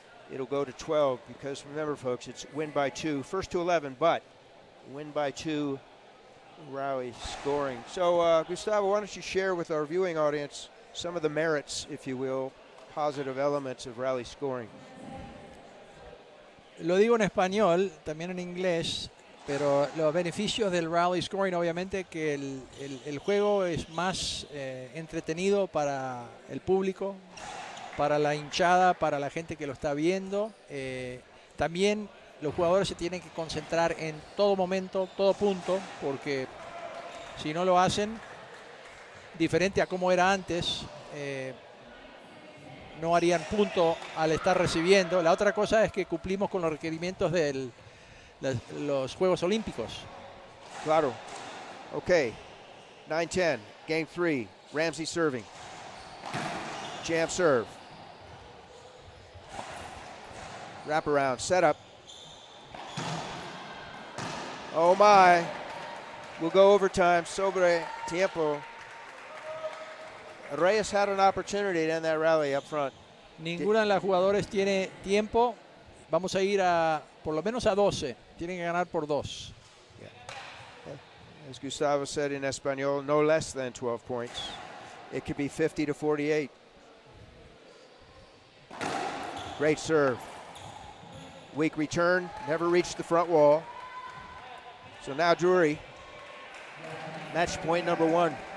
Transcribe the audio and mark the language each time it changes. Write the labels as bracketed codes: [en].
[en] it'll go to 12 because, remember, folks, it's win by two. First to 11, but win by two, Rowley scoring. So, Gustavo, why don't you share with our viewing audience some of the merits, if you will, positive elements of Rowley scoring. [es] Lo digo en español, también en inglés, pero los beneficios del Rowley scoring, obviamente, que el juego es más entretenido para el público, para la hinchada, para la gente que lo está viendo. También los jugadores se tienen que concentrar en todo momento, todo punto, porque si no lo hacen, diferente a como era antes, no harían punto al estar recibiendo. La otra cosa es que cumplimos con los requerimientos de los Juegos Olímpicos. [en] Claro. Okay. 9-10, game 3, Ramsay serving. Jam serve. Wrap around, set up. Oh my. We'll go overtime, [es] sobre tiempo. [en] Reyes had an opportunity to end that rally up front. [es] Ninguna de las jugadoras tiene tiempo. Vamos a ir a por lo menos a 12. Tienen que ganar por dos. [en] Yeah. As Gustavo said in Espanol, no less than 12 points. It could be 50-48. Great serve. Weak return. Never reached the front wall. So now Drury. Match point number one.